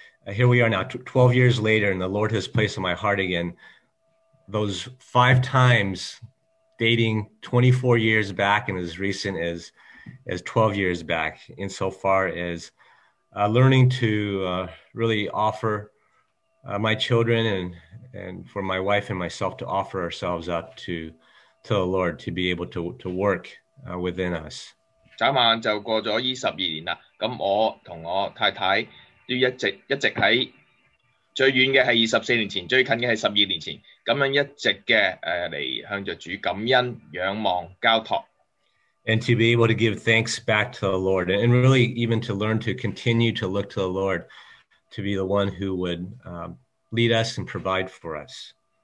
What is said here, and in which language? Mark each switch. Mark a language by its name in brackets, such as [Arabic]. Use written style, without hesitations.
[English] Here we are now, 12 years later, and the Lord has placed in my heart again those five times dating 24 years back and as recent as as 12 years back, insofar as learning to really offer my children and for my wife and myself to offer ourselves up to the Lord to be able to work within us. [Cantonese] 眨眼就過咗24年啦，咁我同我太太最遠嘅係24年前，最近嘅係12年前，咁樣一直嘅嚟向著主感恩、仰望、交託。 [English] And to be able to give thanks back to the Lord, and really even to learn to continue to look to the Lord to be the one who would lead us and provide for us.